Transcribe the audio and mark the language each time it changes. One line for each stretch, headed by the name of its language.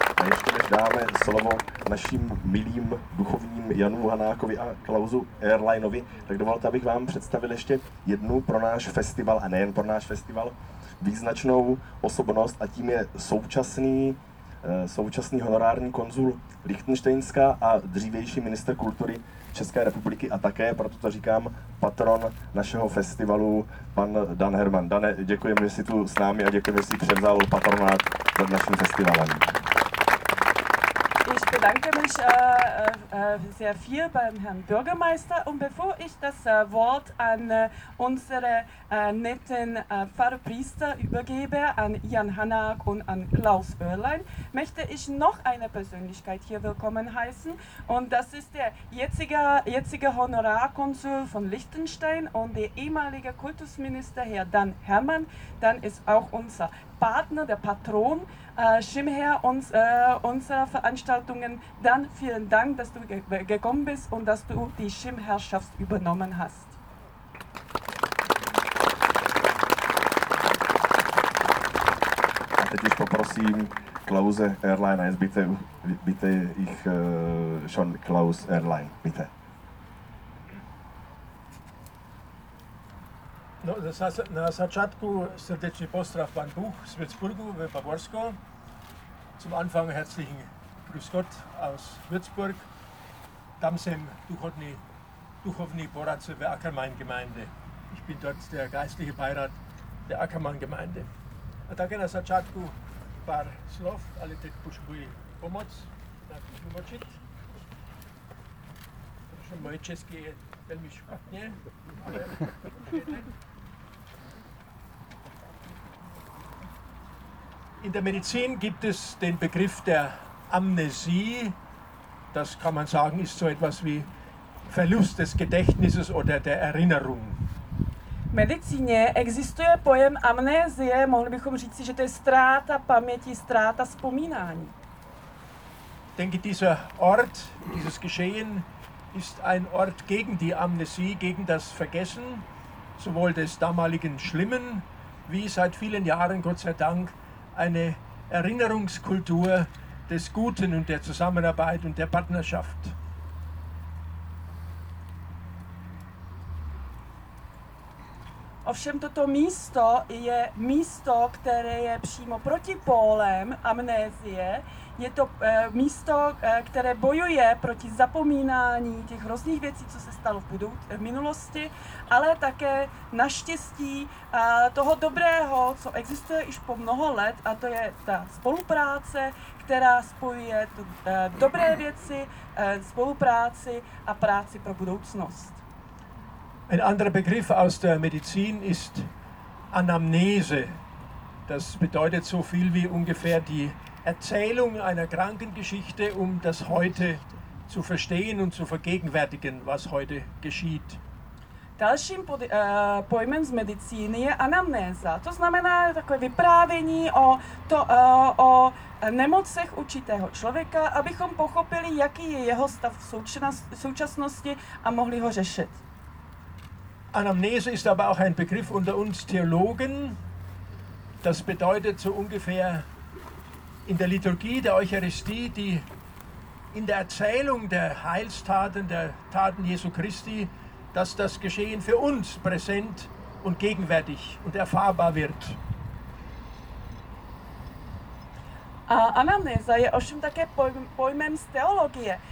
Czech: A ještě než dáme slovo našim milým duchovním Janu Hanákovi a Klausu Erlainovi, tak dovolte, abych vám představil ještě jednu pro náš festival, a nejen pro náš festival, význačnou osobnost, a tím je současný honorární konzul Lichtenštejnska a dřívější minister kultury České republiky a také, proto to říkám, patron našeho festivalu, pan Dan Herman. Dane, děkujeme, že jsi tu s námi a děkujeme, že jsi převzal patronát nad naším festivalem.
German: Ich bedanke mich sehr viel beim Herrn Bürgermeister und bevor ich das Wort an unsere netten Pfarrpriester übergebe, an Jan Hanak und an Klaus Oerlein, möchte ich noch eine Persönlichkeit hier willkommen heißen und das ist der jetzige Honorarkonsul von Liechtenstein und der ehemalige Kultusminister Herr Dan Herman, dann ist auch unser Partner, der Patron, Schirmherr unserer Veranstaltungen. Dann vielen Dank, dass du gekommen bist und dass du die Schirmherrschaft übernommen hast.
Czech: A teď už poprosím Klause Erlaina,
German: jetzt bitte ich schon Klaus Erlein, bitte.
Czech: No, na začátku srdečný pozdrav pan Buch z Würzburgu ve Baborsko.
German: Zum Anfang herzlichen Grüß Gott aus Würzburg.
Czech: Tam jsem duchovný poradce ve Ackermann-Gemeinde.
German: Ich bin dort der geistliche Beirat der Ackermann-Gemeinde.
Czech: A také na začátku pár slov, ale teď potřebuji pomoc. Tak můžu močit. Protože moje česky je velmi špatně, ale...
German: In der Medizin gibt es den Begriff der Amnesie. Das kann man sagen, ist so etwas wie Verlust des Gedächtnisses oder der Erinnerung.
Czech: V medicíně existuje pojem amnézie, mohli bychom říct, že to je ztráta paměti, ztráta vzpomínání.
German: Denke dieser Ort, dieses Geschehen ist ein Ort gegen die Amnesie, gegen das Vergessen, sowohl des damaligen Schlimmen, wie seit vielen Jahren Gott sei Dank eine Erinnerungskultur des Guten und der Zusammenarbeit und der Partnerschaft.
Czech: Ovšem toto místo je místo, které je přímo protipólem amnézie. Je to místo, které bojuje proti zapomínání těch různých věcí, co se stalo v minulosti, ale také naštěstí toho dobrého, co existuje již po mnoho let, a to je ta spolupráce, která spojuje dobré věci, spolupráci a práci pro budoucnost.
German: Ein anderer Begriff aus der Medizin ist Anamnese. Das bedeutet so viel wie ungefähr die Erzählung einer Krankengeschichte, um das Heute zu verstehen und zu vergegenwärtigen, was heute geschieht.
Czech: Dalším pojmem z medicíny je anamnéza. To znamená takové vyprávění o nemocech určitého člověka, abychom pochopili, jaký je jeho stav v současnosti a mohli ho řešit.
German: Anamnese ist aber auch ein Begriff unter uns Theologen. Das bedeutet so ungefähr in der Liturgie der Eucharistie, die in der Erzählung der Heilstaten, der Taten Jesu Christi, dass das Geschehen für uns präsent und gegenwärtig und erfahrbar wird.
Czech: A anamnéza je ovšem také pojmem z teologie.